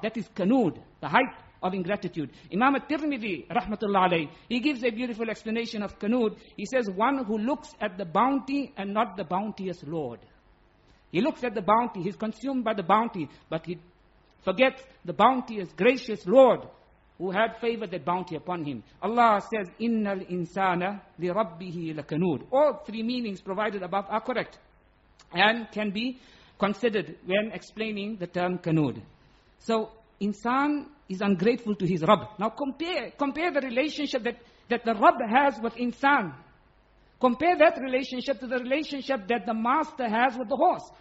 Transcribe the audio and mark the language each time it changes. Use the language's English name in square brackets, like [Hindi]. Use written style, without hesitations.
[English] That is kanood, the height of ingratitude. Imam al-Tirmidhi, rahmatullah alayhi, he gives a beautiful explanation of kanood. He says, one who looks at the bounty and not the bounteous Lord. He looks at the bounty, he's consumed by the bounty, but he forgets the bounteous, gracious Lord who had favored that bounty upon him. Allah says, [Arabic] إِنَّ الْإِنسَانَ لِرَبِّهِ لَكَنُودٌ. [English] All three meanings provided above are correct and can be considered when explaining the term kanood. So, insan is ungrateful to his Rabb. Now compare the relationship that the Rabb has with insan. Compare that relationship to the relationship that the master has with the horse.